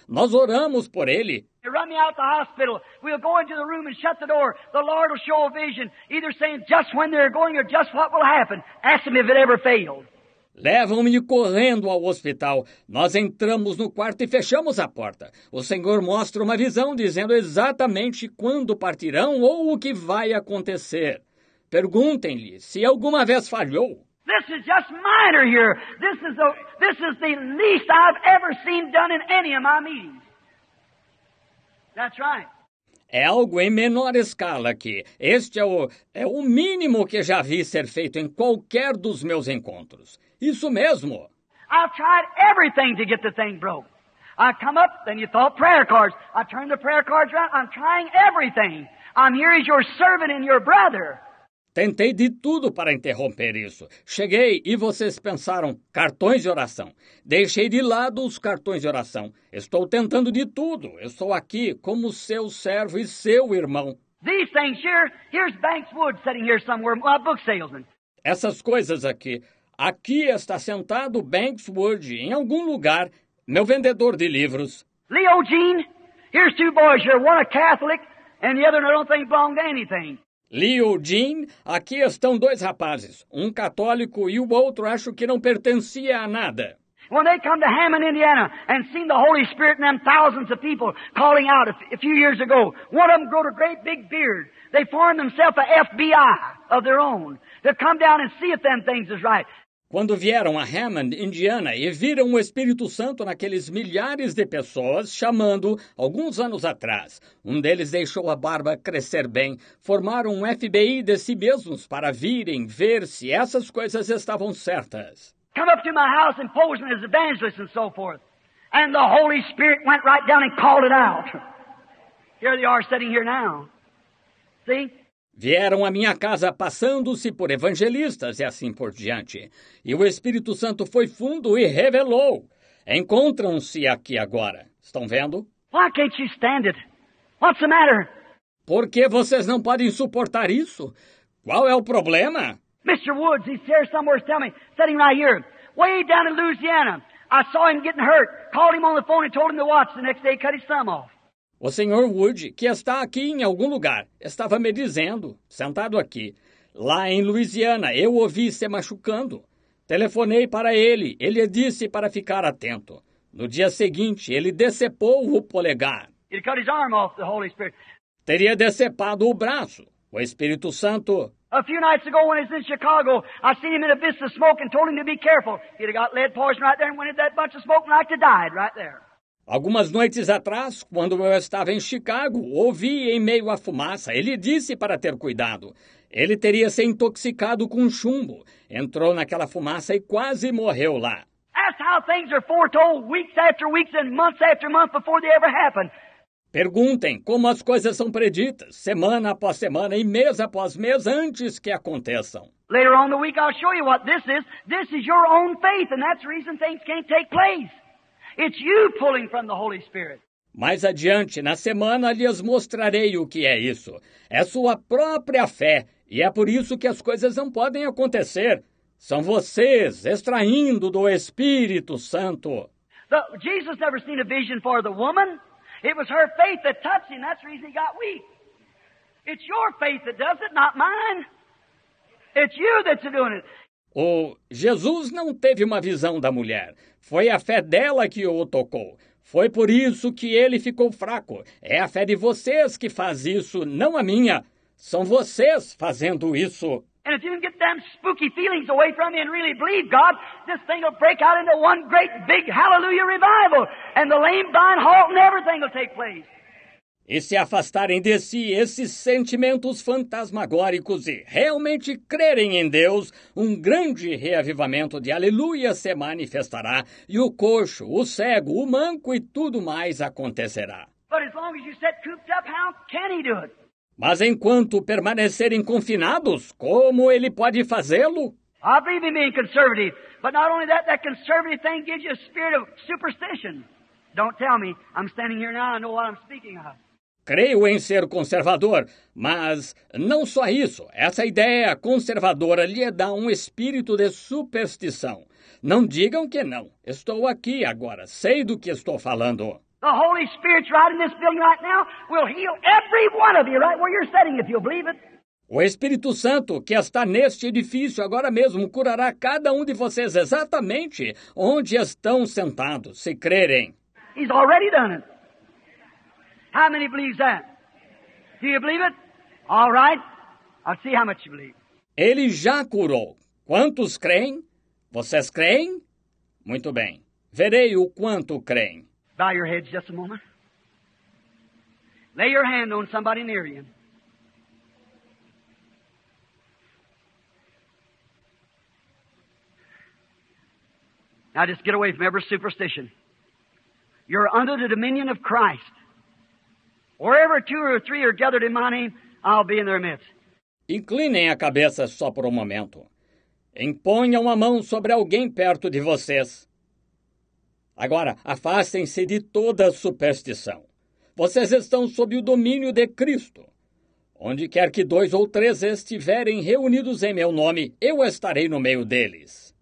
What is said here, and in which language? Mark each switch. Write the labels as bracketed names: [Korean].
[Portuguese] Nós oramos por ele. [English] Run me out the hospital. We'll go into the room and shut the door. The Lord will show a vision, either saying just when they're going or just what will happen. Ask him if it ever failed. [Portuguese] Levam-me correndo ao hospital. Nós entramos no quarto e fechamos a porta. O Senhor mostra uma visão dizendo exatamente quando partirão ou o que vai acontecer. Perguntem-lhe se alguma vez falhou. [English] This is just minor here. This is the least I've ever seen done in any of my meetings. That's right. [Portuguese] É algo em menor escala aqui. Este é o mínimo que já vi ser feito em qualquer dos meus encontros. Isso mesmo. [English] I've tried everything to get the thing broke. I come up, then you thought prayer cards. I turn the prayer cards around. I'm trying everything. I'm here as your servant and your brother. [Portuguese] Tentei de tudo para interromper isso. Cheguei e vocês pensaram, cartões de oração. Deixei de lado os cartões de oração. Estou tentando de tudo. Estou aqui como seu servo e seu irmão. [English] These things here, here's Banks Wood sitting here somewhere, my book salesman. [Portuguese] Essas coisas aqui. Aqui está sentado Banks Wood, em algum lugar, meu vendedor de livros. [English] Leo Jean, here's two boys here, one a Catholic and the other I don't think belong to anything. [Portuguese] Leo Jean, aqui estão dois rapazes, um católico e o outro acho que não pertencia a nada. [English] When they come to Hammond, Indiana, and seen the Holy Spirit and them thousands of people calling out a few years ago, one of them grew a great big beard. They formed themselves a FBI of their own. They'll come down and see if them things is right. [Portuguese] Quando vieram a Hammond, Indiana, e viram o Espírito Santo naqueles milhares de pessoas chamando alguns anos atrás. Um deles deixou a barba crescer bem, formaram um FBI de si mesmos para virem ver se essas coisas estavam certas. [English] Come up to my house and pose as evangelists and so forth. And the Holy Spirit went right down and called it out. Here they are sitting here now. See? [Portuguese] Vieram à minha casa passando-se por evangelistas e assim por diante. E o Espírito Santo foi fundo e revelou. Encontram-se aqui agora. Estão vendo? [English] Why can't you stand it? What's the matter? [Portuguese] Por que vocês não podem suportar isso? Qual é o problema? [English] Mr. Woods, he's here somewhere, tell me, sitting right here, way down in Louisiana. I saw him getting hurt, called him on the phone and told him to watch the next day, cut his thumb off. [Portuguese] O Sr. Wood, que está aqui em algum lugar, estava me dizendo, sentado aqui, lá em Louisiana, eu o vi se machucando. Telefonei para ele, ele disse para ficar atento. No dia seguinte, ele decepou o polegar. [English] He'd cut his arm off, the Holy Spirit. [Portuguese] Teria decepado o braço, o Espírito Santo. [English] A few nights ago, when he was in Chicago, I seen him in a vista of smoke and told him to be careful. He'd have got lead poison right there and went into that bunch of smoke and liked to die right there. [Portuguese] Algumas noites atrás, quando eu estava em Chicago, ouvi em meio à fumaça. Ele disse para ter cuidado. Ele teria se intoxicado com chumbo. Entrou naquela fumaça e quase morreu lá. [English] That's how things are foretold weeks after weeks and months after months before they ever happen. [Portuguese] Perguntem como as coisas são preditas, semana após semana e mês após mês, antes que aconteçam. [English] Later on in the week I'll show you what this is. This is your own faith and that's the reason things can't take place. It's you pulling from the Holy Spirit. [Portuguese] Mais adiante, na semana, lhes mostrarei o que é isso. É sua própria fé, e é por isso que as coisas não podem acontecer. São vocês extraindo do Espírito Santo. [English] Jesus never seen a vision for the woman. It was her faith that touched him. That's the reason he got weak. It's your faith that does it, not mine. It's you that's doing it. [Portuguese] Jesus não teve uma visão da mulher. Foi a fé dela que o tocou. Foi por isso que ele ficou fraco. É a fé de vocês que faz isso, não a minha. São vocês fazendo isso. [English] And if you can get them spooky feelings away from you and really believe God, this thing will break out into one great big hallelujah revival. And the lame, blind, halt, and everything will take place. [Portuguese] E se afastarem de si esses sentimentos fantasmagóricos e realmente crerem em Deus, um grande reavivamento de aleluia se manifestará e o coxo, o cego, o manco e tudo mais acontecerá. [English] But as long as you sit cooped up, how can he do it? [Portuguese] Mas enquanto permanecerem confinados, como ele pode fazê-lo? [English] I believe in being conservative, but not only that, that conservative thing gives you a spirit of superstition. Don't tell me. I'm standing here now, I know what I'm speaking of. [Portuguese] Creio em ser conservador, mas não só isso. Essa ideia conservadora lhe dá um espírito de superstição. Não digam que não. Estou aqui agora. Sei do que estou falando. [English] The Holy Spirit right in this building right now will heal every one of you right where you're sitting, if you'll believe it. [Portuguese] O Espírito Santo que está neste edifício agora mesmo curará cada um de vocês exatamente onde estão sentados, se crerem. [English] He's already done it. How many believes that? Do you believe it? All right. I'll see how much you believe. [Portuguese] Ele já curou. Quantos creem? Vocês creem? Muito bem. Verei o quanto creem. [English] Bow your heads just a moment. Lay your hand on somebody near you. Now just get away from every superstition. You're under the dominion of Christ. Wherever two or three are gathered in my name, I'll be in their midst. [Portuguese] Inclinem a cabeça só por um momento. Imponham a mão sobre alguém perto de vocês. Agora, afastem-se de toda superstição. Vocês estão sob o domínio de Cristo. Onde quer que dois ou três estiverem reunidos em meu nome, eu estarei no meio deles.